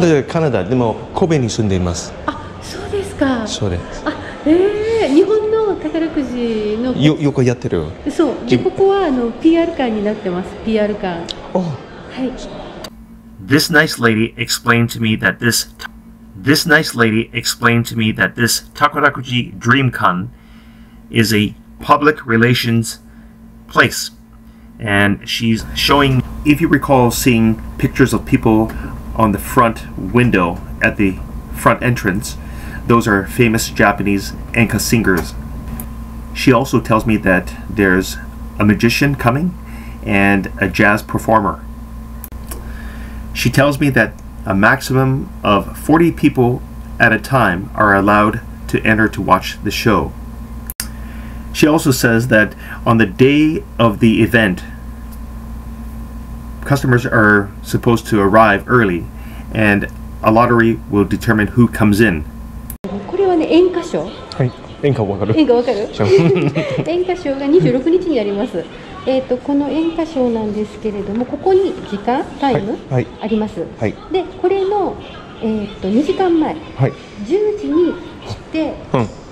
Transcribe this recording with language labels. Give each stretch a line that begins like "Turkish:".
Japanese: 私はカナダでも神戸に住んでいます。あ、そうですか。そうです。あ、日本の宝くじの横やってる。そうで、ここはあの PR 館になってます。 PR 館。お、はい。
English: This nice lady explained to me that this nice lady explained to me that this Takarakuji Dream Kan is a public relations place. And she's showing, if you recall seeing pictures of people on the front window at the front entrance, those are famous Japanese Enka singers. She also tells me that there's a magician coming and a jazz performer. She tells me that a maximum of 40 people at a time are allowed to enter to watch the show. She also says that on the day of the event, customers are supposed to arrive early and a lottery will determine who comes in.
Japanese: これはね、演歌ショー。 はい、演歌わかる。演歌わかる。演歌ショーが26日にあります。この演歌ショーなんですけれども、ここに時間、タイム、はいはい、あります。はい、で、これの、2時間前、はい、 10時に来て、うん、